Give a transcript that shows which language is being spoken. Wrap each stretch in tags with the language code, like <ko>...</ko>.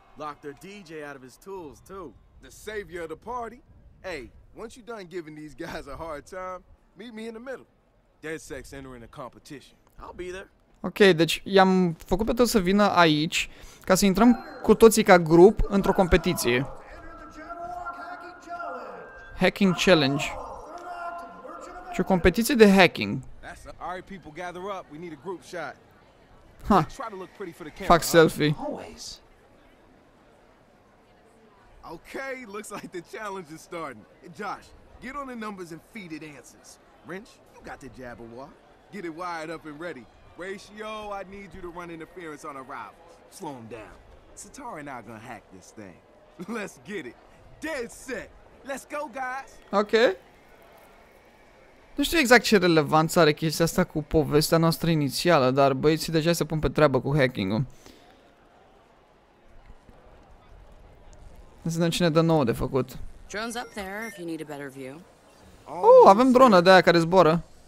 <en>Locked their DJ out of his tools too. The savior of the party. Hey, once you're done giving these guys a hard time, meet me in the middle. DedSec entering a competition. I'll be there.</en> <ro>Ok, deci i-am făcut pe toți să vină aici ca să intrăm cu toții ca grup într-o competiție.</ro> <en>Hacking challenge.</en> <ro>Ce competiție de hacking.</ro> <en>That's a... All right, people, gather up. We need a group shot. Huh. Try to look pretty for the camera. Fuck selfie. Always. Okay, looks like the challenge is starting. Josh, get on the numbers and feed it answers. Wrench, you got the Jabberwock. Get it wired up and ready. Ratio, I need you to run interference on arrivals. Slow them down. Satara and I are gonna hack this thing. Let's get it. Dead set. Let's go, guys. Okay.</en> <ro>Nu știu exact ce relevanță are chestia asta cu povestea noastră inițială, dar băieții deja se pun pe treabă cu hacking-ul. Să vedem cine dă nouă de făcut.</ro> <en>Drone's up there, if you need a better view.</en> <ro>Oh, avem dronă de aia care zboară.</ro>